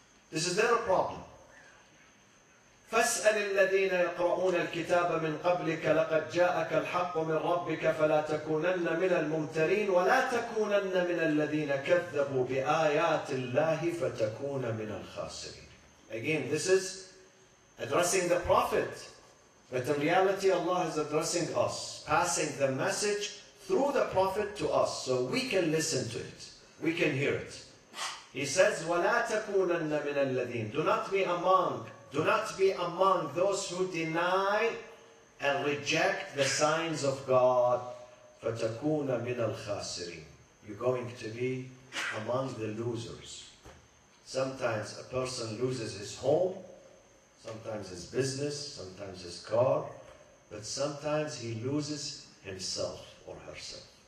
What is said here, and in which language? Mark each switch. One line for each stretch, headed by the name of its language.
English: This is their problem.
Arabic: فَاسْأَلِ الَّذِينَ يَقْرَؤُونَ الْكِتَابَ مِنْ قَبْلِكَ لَقَدْ جَاءَكَ الْحَقُّ مِنْ رَبِّكَ فَلَا تَكُونَنَّ مِنَ الْمُمْتَرِينَ وَلَا تَكُونَنَّ مِنَ الَّذِينَ كَذَّبُوا بِآيَاتِ اللَّهِ فَتَكُونَ مِنَ الْخَاسِرِينَ.
English: Again, this is addressing the Prophet. But in reality, Allah is addressing us, passing the message through the Prophet to us, so we can listen to it, we can hear it. He says,
Arabic: وَلَا تَكُونَنَّ مِنَ الَّذِينَ.
English: Do not be among. Do not be among those who deny and reject the signs of God.
Arabic: فَتَكُونَ مِنَ الْخَاسِرِينَ.
English: You're going to be among the losers. Sometimes a person loses his home, sometimes his business, sometimes his car, but sometimes he loses himself or herself.